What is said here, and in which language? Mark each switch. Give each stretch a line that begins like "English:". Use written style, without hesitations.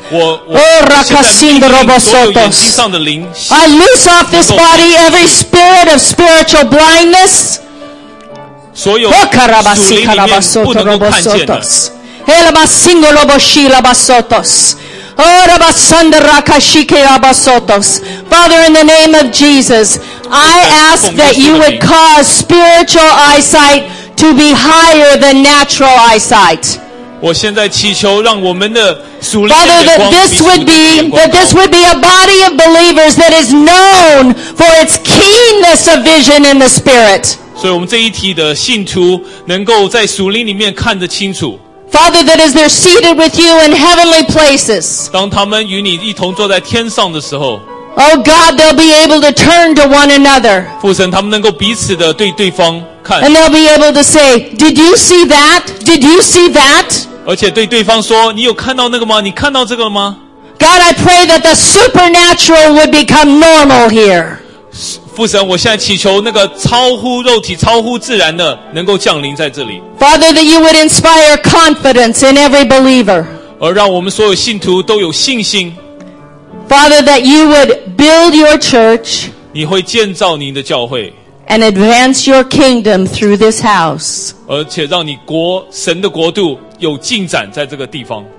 English: I loose off this body every spirit of spiritual blindness.
Chinese: 所有属灵里面不能够看见的。
English: Father, in the name of Jesus, I ask that you would cause spiritual eyesight to be higher than natural eyesight.
Chinese: 我现在祈求让我们的属灵的眼光比属灵的眼光高。
English: Father, that this would be a body of believers that is known for its keenness of vision in the Spirit.
Chinese: 所以我们这一体的信徒能够在属灵里面看得清楚。
English: Father, that as they're seated with you in heavenly places,
Chinese: 当他们与你一同坐在天上的时候，
English: Oh God, they'll be able to turn to one another.
Chinese: 父神，他们能够彼此的对对方看。
English: And they'll be able to say, Did you see that? Did you see that?
Chinese: 而且对对方说，你有看到那个吗？你看到这个了吗？
English: God, I pray that the supernatural would become normal here.
Chinese: 父神，我现在祈求那个超乎肉体、超乎自然的能够降临在这里。
English: Father, that you would inspire confidence in every believer.
Chinese: 而让我们所有信徒都有信心。
English: Father, that you would build your church.
Chinese: 你会建造您的教会。
English: And advance your kingdom through this house.
Chinese: 而且让你国神的国度有进展在这个地方。